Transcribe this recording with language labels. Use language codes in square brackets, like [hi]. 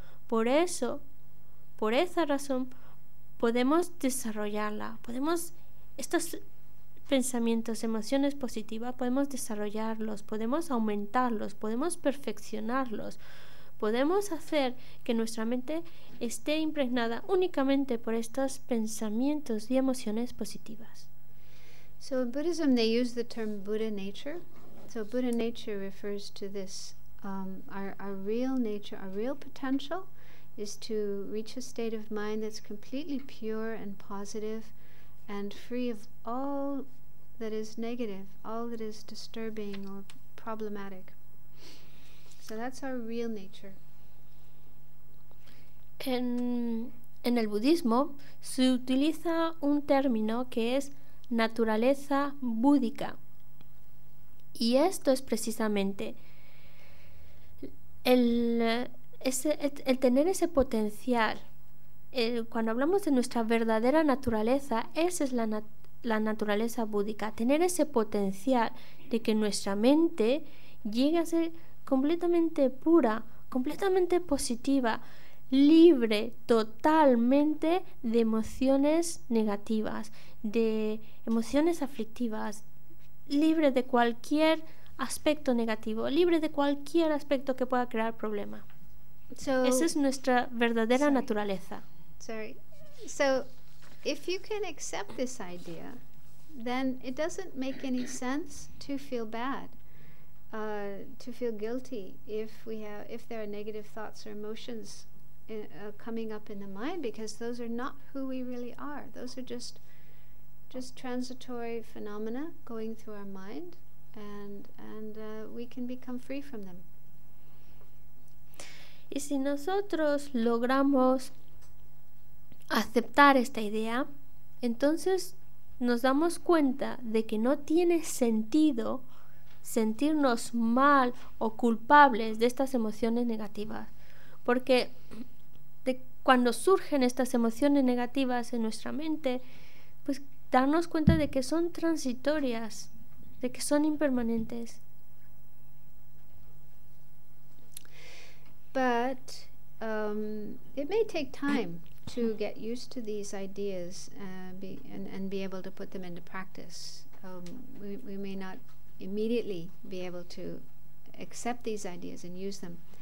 [es] Por eso, por esa razón, podemos desarrollarla, podemos estos pensamientos, emociones positivas, podemos desarrollarlos, podemos aumentarlos, podemos perfeccionarlos, podemos hacer que nuestra mente esté impregnada únicamente por estos pensamientos y emociones positivas. [en] So in Buddhism they use the term Buddha nature. So Buddha nature refers to this, our real nature, our real potential is to reach a state of mind that's completely pure and positive, and free of all that is negative, all that is disturbing or problematic. So that's our real nature. [es] En el budismo se utiliza un término que es naturaleza búdica. Y esto es precisamente el tener ese potencial. Cuando hablamos de nuestra verdadera naturaleza, esa es la naturaleza búdica, tener ese potencial de que nuestra mente llegue a ser completamente pura, completamente positiva, libre totalmente de emociones negativas, de emociones aflictivas, libre de cualquier aspecto negativo, libre de cualquier aspecto que pueda crear problema. Esa es nuestra verdadera naturaleza. [en] Sorry. So if you can accept this idea, then it doesn't make any sense to feel bad, to feel guilty if there are negative thoughts or emotions coming up in the mind, because those are not who we really are. Those are just transitory phenomena going through our mind, and we can become free from them. [es] Y si nosotros logramos aceptar esta idea, entonces nos damos cuenta de que no tiene sentido sentirnos mal o culpables de estas emociones negativas, porque cuando surgen estas emociones negativas en nuestra mente, pues darnos cuenta de que son transitorias, de que son impermanentes. [en] But it may take time to get used to these ideas and be able to put them into practice. We may not immediately be able to accept these ideas and use them.